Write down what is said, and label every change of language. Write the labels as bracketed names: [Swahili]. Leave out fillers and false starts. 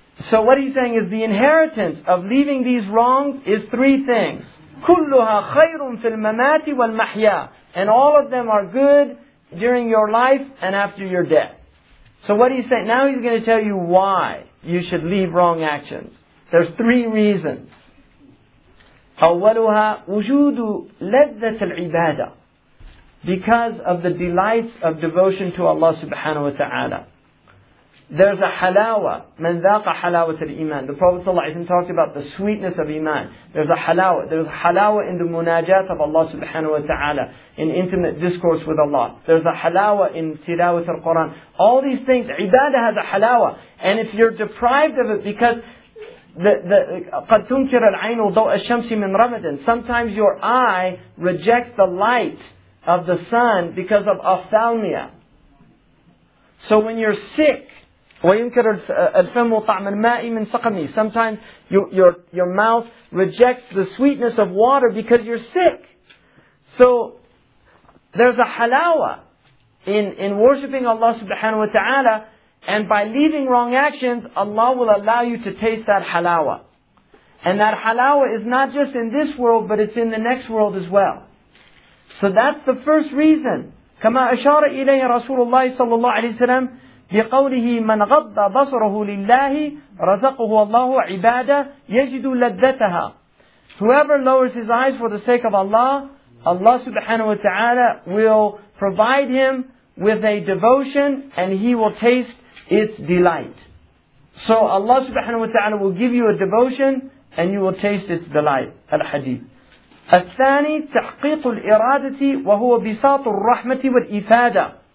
[English] So what he's saying is the inheritance of leaving these wrongs is three things. [Arabic] كلها خير في الممات والمحيا. [English] And all of them are good during your life and after your death. So what he's saying, now he's going to tell you why you should leave wrong actions. There's three reasons. [Arabic] أولها وجود لذة العبادة. [English] Because of the delights of devotion to Allah subhanahu wa ta'ala. There's a halawa. [Arabic] من ذاق حلاوة الإيمان. [English] The Prophet sallallahu alayhi wa sallam talked about the sweetness of iman. There's a halawa. There's a halawa in the munajat of Allah subhanahu wa ta'ala. In intimate discourse with Allah. There's a halawa in tilawat al-Quran. All these things. Ibadah has a halawa. And if you're deprived of it because [Arabic] قَدْ تُنْكِرَ الْعَيْنُ وَضَوْءَ الشَّمْسِ مِنْ رَمَدٍ. [English] Sometimes your eye rejects the light of the sun because of ophthalmia. So when you're sick, [Arabic] وَيُنْكِرَ الْفَمُ طَعْمَ الْمَاءِ مِنْ سَقَمِي. [English] Sometimes your mouth rejects the sweetness of water because you're sick. So there's a halawa in worshipping Allah subhanahu wa ta'ala. And by leaving wrong actions, Allah will allow you to taste that halawa. And that halawa is not just in this world, but it's in the next world as well. So that's the first reason. [Arabic] كما أشار إليه رسول الله صلى الله عليه وسلم بقوله من غض بصره لله رزقه الله عبادة يجد لذتها. [English] Whoever lowers his eyes for the sake of Allah, Allah subhanahu wa ta'ala will provide him with a devotion and he will taste its delight. So Allah subhanahu wa ta'ala will give you a devotion and you will taste its delight. Al-Hadith. [Arabic] الثاني تحقيق الإرادة وهو بساط الرحمة والإفادة.